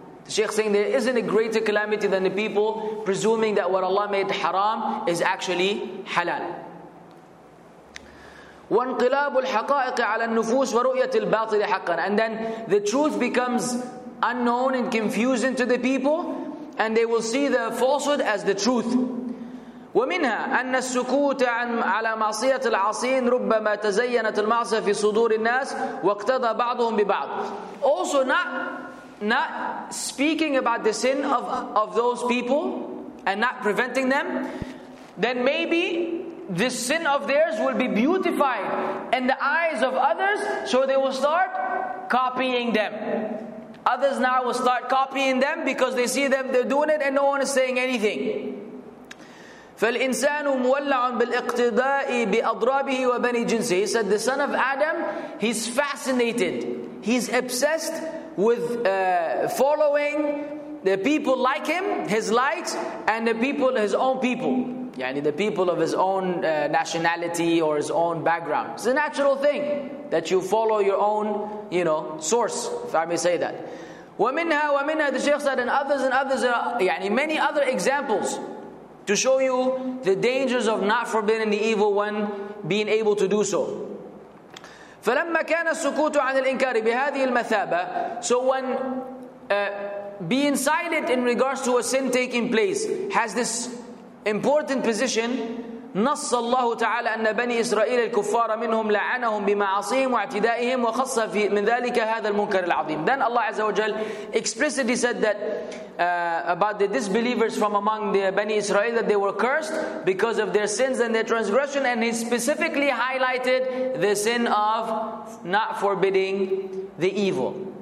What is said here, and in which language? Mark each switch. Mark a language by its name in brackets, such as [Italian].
[English] The Shaykh saying there isn't a greater calamity than the people presuming that what Allah made haram is actually halal. [Arabic] وَانْقِلَابُ الْحَقَائِقِ عَلَى النُّفُوسِ وَرُؤْيَةِ الْبَاطِلِ حَقًّا. [English] And then the truth becomes unknown and confusing to the people, and they will see the falsehood as the truth. [Arabic] ومنها أن السكوت عن على معصية العاصين ربما تزينت المعصية في صدور الناس واقتضى بعضهم ببعض. [English] Also not speaking about the sin of those people and not preventing them, then maybe this sin of theirs will be beautified in the eyes of others, so they will start copying them. Others now will start copying them because they see them, they're doing it, and no one is saying anything. [Arabic] فالإنسان مولع بالاقتداء بأضرابه وبني جنسه. [English] He said, the son of Adam, he's fascinated. He's obsessed with following the people like him, his likes, and the people, his own people. يعني the people of his own nationality or his own background. It's a natural thing that you follow your own, you know, source, if I may say that. [Arabic] ومنها, [English] the Shaykh said, and others, يعني many other examples to show you the dangers of not forbidding the evil one being able to do so. [Arabic] فلما كان السكوت عن الإنكار بهذه المثابة. [English] So when being silent in regards to a sin taking place has this important position, [Arabic] نص الله تعالى أن بني إسرائيل الكفار منهم لعنهم بمعاصيهم واعتدائهم وخص في من ذلك هذا المنكر العظيم. [English] Then Allah [Arabic] عز وجل [English] explicitly said that about the disbelievers from among the Bani Israel that they were cursed because of their sins and their transgression, and He specifically highlighted the sin of not forbidding the evil.